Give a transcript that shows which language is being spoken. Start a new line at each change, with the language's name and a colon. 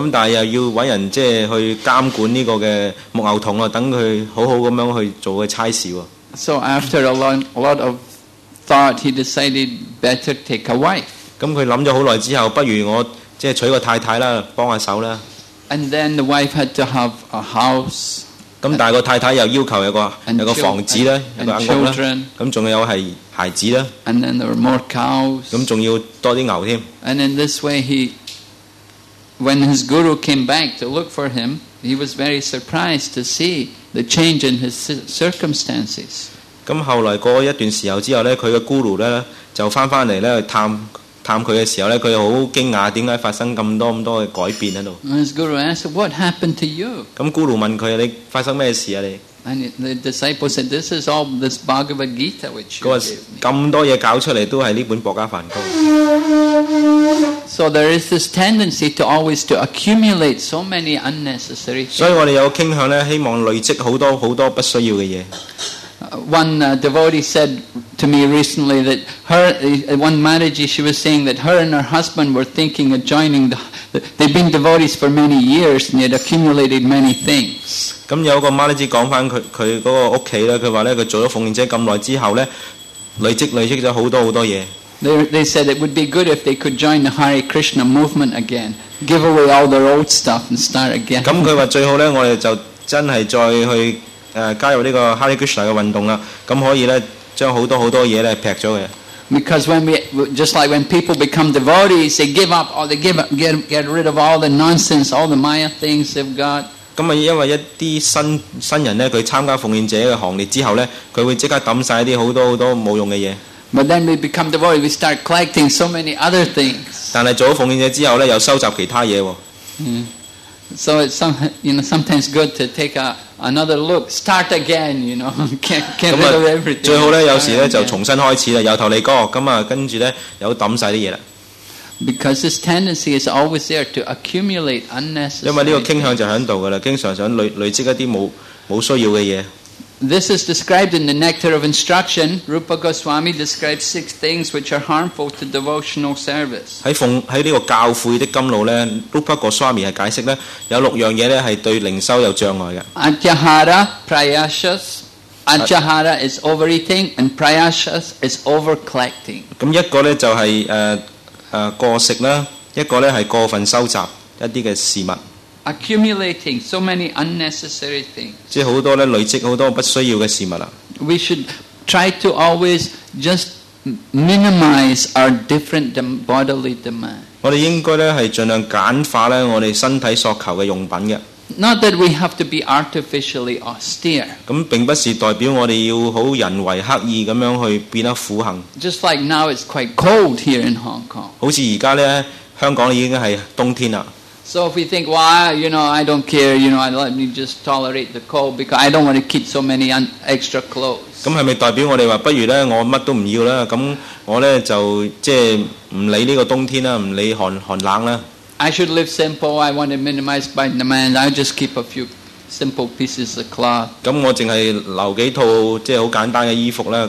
Cantonese: 咁但系又要揾人即系去监管呢个嘅牧牛童啊，等佢好好咁样去做个差事喎。
English: So after a lot of thought, he decided better take a wife.
Cantonese: 咁佢谂咗好耐之后，不如我即系娶个太太啦，帮下手啦。
English: And then the wife had to have a house.
Cantonese: 咁但系个太太又要求有个房子啦，有个屋啦，咁仲有系。孩子啦，
English: and then there were more cows.
Cantonese: 咁仲要多啲牛添。
English: And in this way, when his guru came back to look for him, he was very surprised to see the change in his circumstances.
Cantonese: 咁後來過一段時候之後咧，佢嘅孤魯咧就翻嚟咧去探佢嘅時候咧，佢好驚訝，點解發生咁多嘅改變喺度
English: ？His guru asked, "What happened to you?"
Cantonese: 咁孤魯問佢：你發生咩事啊？你？
English: And the disciple said, "This is all this Bhagavad Gita which you gave me."
Cantonese: 咁多嘢搞出嚟都系呢本《博加梵歌》。
English: So there is this tendency to always to accumulate so many unnecessary.
Cantonese: 所以我哋有倾向咧，希望累积好多好多不需要嘅嘢。
English: One devotee said to me recently that one Mataji, she was saying that her and her husband were thinking of joining they've been devotees for many years and they had accumulated many things.
Cantonese: 咁有個 Mataji 講翻佢嗰個屋企咧，佢話咧佢做咗奉獻者咁耐之後咧，累積咗好多好多嘢。
English: They said it would be good if they could join the Hare Krishna movement again, give away all their old stuff and start again.
Cantonese: 咁佢話最好咧，我哋就真係再去。加入呢個 Hare Krishna 嘅運動啦，咁可以咧將好多好多嘢咧劈咗嘅。
English: Because when people become devotees, they give up or they get rid of all the nonsense, all the Maya things they've got.
Cantonese: 咁啊，因為一啲新人咧，佢參加奉獻者嘅行列之後咧，佢會即刻抌曬啲好多好多冇用嘅嘢。
English: But then we become devotees, we start collecting so many other things.
Cantonese: 但係做咗奉獻者之後咧，又收集其他嘢喎。
English: So it's sometimes good to take another look, start again, you know, get rid of everything.
Cantonese: 最好咧，有時咧就重新開始啦，由頭嚟過。咁啊，跟住咧又抌曬啲嘢啦。
English: Because this tendency is always there to accumulate unnecessary.
Cantonese: 因為呢個傾向就喺度噶啦，經常想累積一啲冇需要嘅嘢。
English: This is described in the Nectar of Instruction. Rupa Goswami describes 6 things which are harmful to devotional service.
Cantonese: 喺呢個教诲的甘露咧 ，Rupa Goswami 係解釋咧，有6樣嘢咧係對靈修有障礙嘅。
English: Atyahara, prayasas. Atyahara is overeating, and prayasas is overcollecting.
Cantonese: 咁一個咧就係過食啦，一個咧係過分收集一啲嘅事物。
English: Accumulating so many unnecessary things.
Cantonese: 即係好多咧，累積好多不需要嘅事物啦。
English: We should try to always just minimize our different bodily demands.
Cantonese: 我哋應該咧係盡量簡化咧我哋身體所求嘅用品嘅。
English: Not that we have to be artificially austere.
Cantonese: 咁並不是代表我哋要好人為刻意咁樣去變得苦行。
English: Just like now, it's quite cold here in Hong Kong.
Cantonese: 好似而家咧，香港已經係冬天啦。
English: So if we think, well, you know, I don't care, you know, I let me just tolerate the cold because I don't want to keep so many extra clothes.
Cantonese: 咁係咪代表我哋話不如咧，我乜都唔要啦？咁我咧就即係唔理呢個冬天啦，唔理寒冷啦。
English: I should live simple. I want to minimize my demand. I just keep a few simple pieces of cloth.
Cantonese: 咁我淨係留幾套即係好簡單嘅衣服啦。